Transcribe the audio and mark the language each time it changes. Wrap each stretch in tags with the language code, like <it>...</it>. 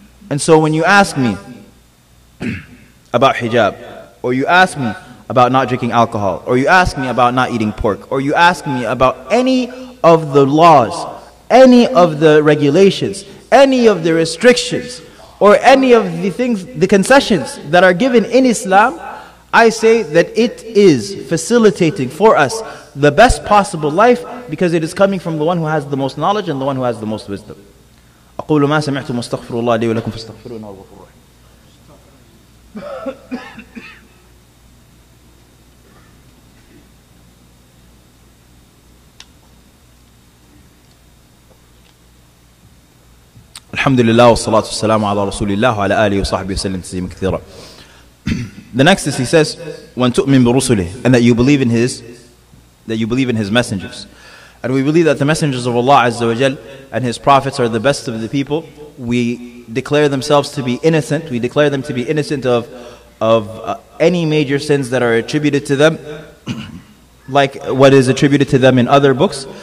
<en>And so when you ask me about hijab, or you ask me about not drinking alcohol, or you ask me about not eating pork, or you ask me about any of the laws, any of the regulations, any of the restrictions, or any of the things, the concessions that are given in Islam, I say that it is facilitating for us the best possible life, because it is coming from the one who has the most knowledge and the one who has the most wisdom.</en> <ar>أقول ما سمعتم استغفر الله لي ولكم فاستغفرون الله الغفور الرحيم. الحمد لله والصلاة والسلام على رسول الله وعلى آله وصحبه وسلم تسليما كثيرا.</ar> <en>The next is, he says, when</en> <ar>تؤمن برسله,</ar> <en>and that you believe in his messengers. And we believe that the messengers of Allah Azza wa Jal and his prophets are the best of the people. We declare themselves to be innocent. We declare them to be innocent of any major sins that are attributed to them, like what is attributed to them in other books.</en>